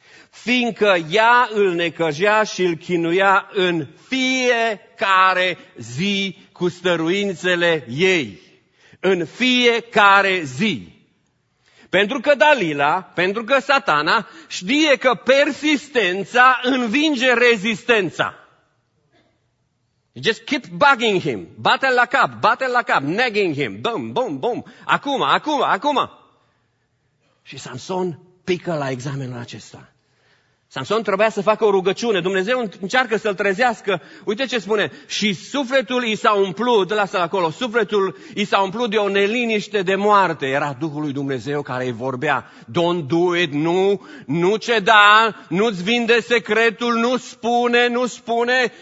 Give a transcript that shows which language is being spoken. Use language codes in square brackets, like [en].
[ro] Fiindcă ea îl necăjea și îl chinuia în fiecare zi cu stăruințele ei. În fiecare zi. Pentru că Dalila, pentru că Satana știe că persistența învinge rezistența. [en] Just keep bugging him, [ro] bate-l la cap, bate-l la cap, [en] nagging him, [ro] boom, boom, boom, acum, acum, acum. Și Samson pică la examenul acesta. Samson trebuia să facă o rugăciune, Dumnezeu încearcă să-l trezească, uite ce spune, și sufletul i s-a umplut, lasă-l acolo, sufletul i s-a umplut de o neliniște de moarte. Era Duhul lui Dumnezeu care îi vorbea, [en] don't do it, [ro] nu, nu ceda, nu-ți vinde secretul, nu spune, nu spune.